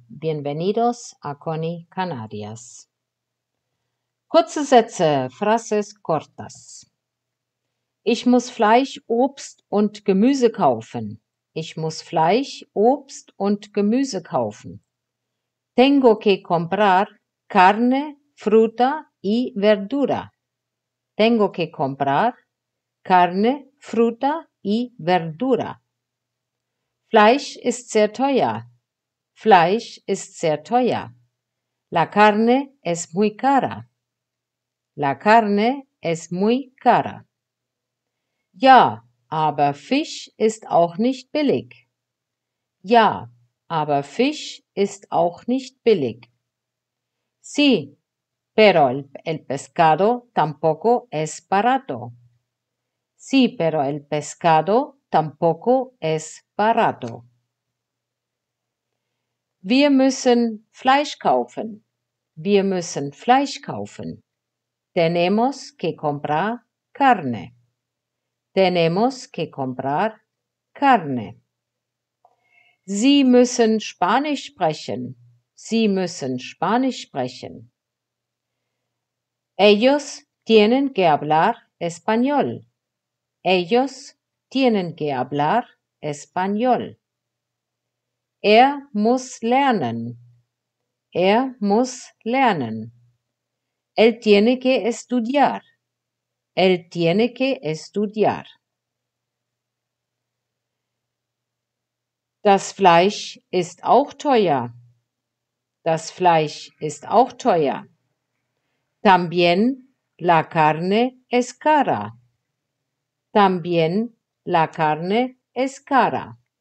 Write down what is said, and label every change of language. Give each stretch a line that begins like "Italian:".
Spanish: Bienvenidos a Conny Canarias.
German: Kurze Sätze,
Spanish: frases cortas.
German: Ich muss Fleisch, Obst und Gemüse kaufen. Ich muss Fleisch, Obst und Gemüse kaufen.
Spanish: Tengo que comprar carne, fruta y verdura. Tengo que comprar carne, fruta y verdura.
German: Fleisch ist sehr teuer. Fleisch ist sehr teuer.
Spanish: La carne es muy cara. La carne es muy cara.
German: Ja, aber Fisch ist auch nicht billig. Ja, aber Fisch ist auch nicht billig.
Spanish: Sí, pero el pescado tampoco es barato. Sí, pero el pescado tampoco es barato.
German: Wir müssen Fleisch kaufen. Wir müssen Fleisch kaufen.
Spanish: Tenemos que comprar carne. Tenemos que comprar carne.
German: Sie müssen Spanisch sprechen. Sie müssen Spanisch sprechen.
Spanish: Ellos tienen que hablar español. Ellos tienen que hablar español.
German: Er muss lernen. Er muss lernen.
Spanish: Él tiene que estudiar. Él tiene que estudiar.
German: Das Fleisch ist auch teuer. Das Fleisch ist auch teuer.
Spanish: También la carne es cara. También la carne es cara.